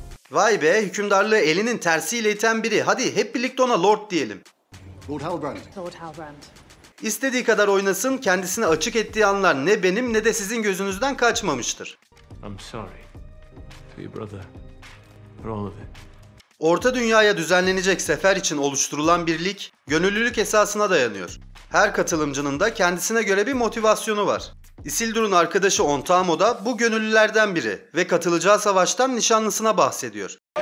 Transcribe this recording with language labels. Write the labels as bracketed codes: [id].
[tr] Vay be, hükümdarlığı elinin tersiyle iten biri. Hadi hep birlikte ona Lord diyelim. Lord Halbrand. İstediği kadar oynasın, kendisini açık ettiği anlar ne benim ne de sizin gözünüzden kaçmamıştır. [en] I'm sorry for your brother, for all of it. [tr] Orta dünyaya düzenlenecek sefer için oluşturulan birlik, gönüllülük esasına dayanıyor. Her katılımcının da kendisine göre bir motivasyonu var. Isildur'un arkadaşı Ontamo da bu gönüllülerden biri ve katılacağı savaştan nişanlısına bahsediyor.